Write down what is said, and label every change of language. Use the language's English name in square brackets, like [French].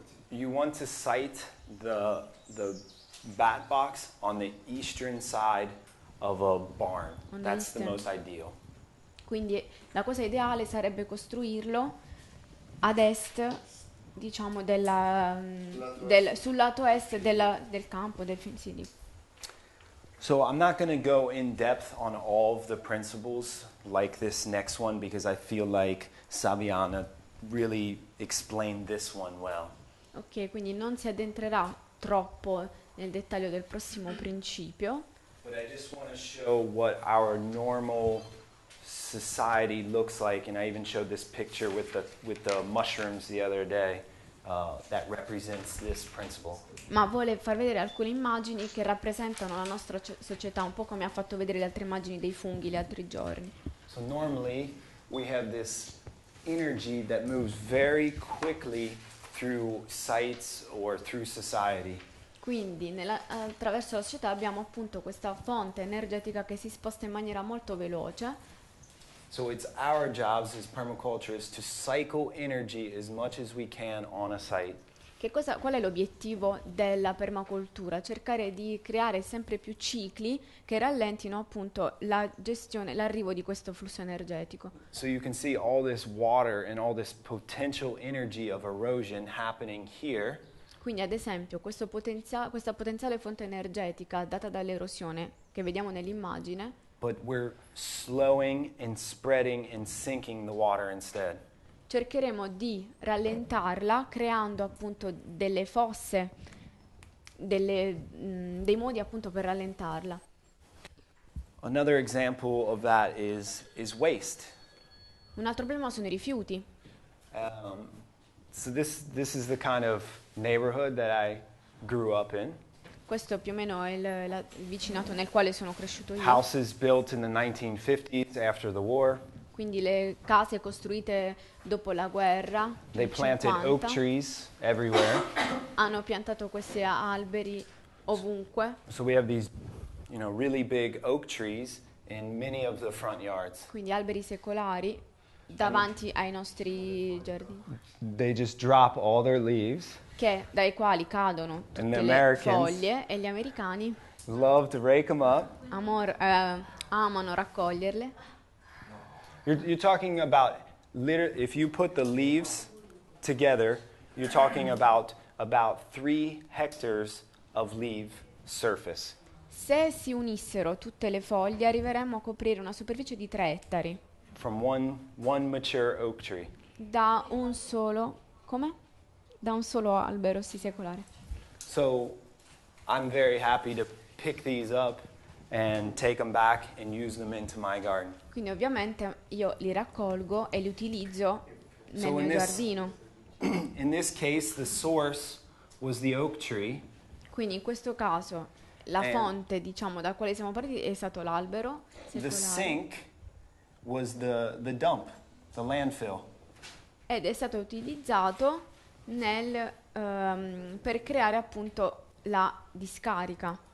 [English] You want to site the bat box on the eastern side of a barn. That's the most ideal. [Italian] Quindi la cosa ideale sarebbe costruirlo ad est. Diciamo sul lato est del campo del Finsidi. [English] So I'm not going to go in depth on all of the principles like this next one because I feel like Saviana really explained this one well. [Italian] Ok, quindi non si addentrerà troppo nel dettaglio del prossimo principio. [English] But I just want to show what our normal society looks like, and I even showed this picture with the mushrooms the other day. That represents this principle. [Italian] Ma vuole far vedere alcune immagini che rappresentano la nostra società, un po' come ha fatto vedere le altre immagini dei funghi gli altri giorni. [English] So normally we have this energy that moves very quickly through sites or through society. [Italian] Quindi attraverso la società abbiamo appunto questa fonte energetica che si sposta in maniera molto veloce. [English] So it's our jobs as permaculturists to cycle energy as much as we can on a site. [Italian] Che cosa, qual è l'obiettivo della permacultura? Cercare di creare sempre più cicli che rallentino appunto la gestione, l'arrivo di questo flusso energetico. [English] So you can see all this water and all this potential energy of erosion happening here. [Italian] Quindi ad esempio questo questa potenziale fonte energetica data dall'erosione che vediamo nell'immagine. [English] But we're slowing and spreading and sinking the water instead. [Italian] Cercheremo di rallentarla creando appunto delle fosse, dei modi appunto per rallentarla. [English] Another example of that is waste. [Italian] Un altro problema sono i rifiuti. [English] So this is the kind of neighborhood that I grew up in. [Italian] Questo più o meno è il vicinato nel quale sono cresciuto io. [English] Houses built in the 1950s after the war. [Italian] Quindi le case costruite dopo la guerra. [English] They planted 50. Oak trees everywhere. [Italian] Hanno piantato questi alberi ovunque. [English] So we have these, you know, really big oak trees in many of the front yards. [Italian] Quindi alberi secolari davanti ai nostri giardini. [English] They just drop all their leaves. [Italian] Che dai quali cadono tutte le foglie e gli americani. [English] Love to rake them up. [Italian] Amano raccoglierle. [English] You're talking about literally, if you put the leaves together, you're talking about 3 hectares of leaf surface. [Italian] Se si unissero tutte le foglie, arriveremmo a coprire una superficie di 3 ettari. [English] From one mature oak tree. [Italian] Da un solo, come? Da un solo albero secolare. [English] So I'm very happy to pick these up and take them back and use them into my garden. [Italian] Quindi ovviamente io li raccolgo e li utilizzo nel mio giardino. [English] In this case the source was the oak tree. [Italian] Quindi in questo caso la fonte, diciamo, da quale siamo partiti è stato l'albero secolare. [English] The sink was the dump, the landfill. [Italian] Ed è stato utilizzato nel per creare appunto la discarica.